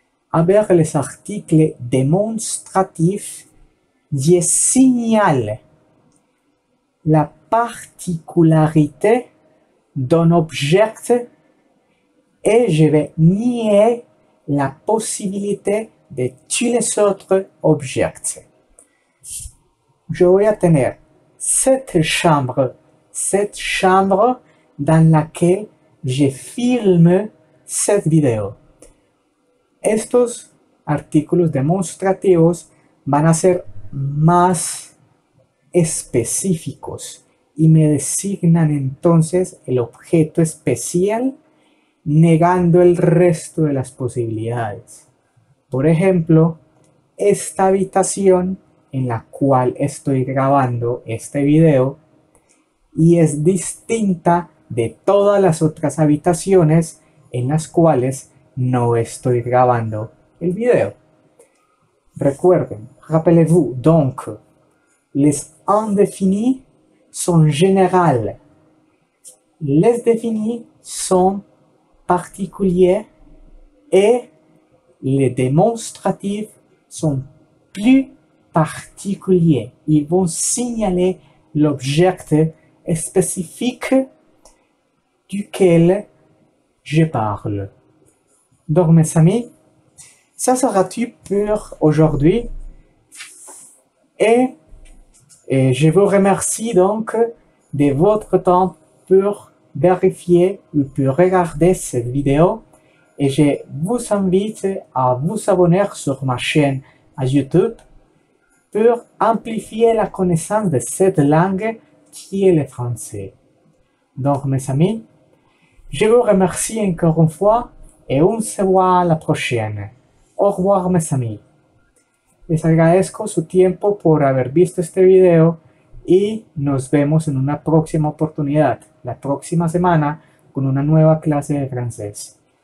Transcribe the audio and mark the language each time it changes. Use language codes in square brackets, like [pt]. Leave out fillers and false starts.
[es] A ver [fr] les articles démonstratifs, je signale la particularité d'un objet et je vais nier la possibilité de tous les autres objets. Je vais tenir cette chambre dans laquelle je filme cette vidéo. [es] Estos artículos demostrativos van a ser más específicos y me designan entonces el objeto especial, negando el resto de las posibilidades. Por ejemplo, esta habitación en la cual estoy grabando este video y es distinta de todas las otras habitaciones en las cuales no estoy grabando el video. Recuerden, [fr] rappelez-vous, donc, les indéfinis son général. Les définis son particuliers et les démonstratifs son plus particuliers. Ils vont signaler l'objet spécifique duquel je parle. Donc mes amis, ça sera tout pour aujourd'hui et je vous remercie donc de votre temps pour vérifier ou pour regarder cette vidéo et je vous invite à vous abonner sur ma chaîne à YouTube pour amplifier la connaissance de cette langue qui est le français. Donc mes amis, je vous remercie encore une fois. Et on se voit la prochaine. Au revoir, mes amis. [es] Les agradezco su tiempo por haber visto este video y nos vemos en una próxima oportunidad, la próxima semana, con una nueva clase de francés.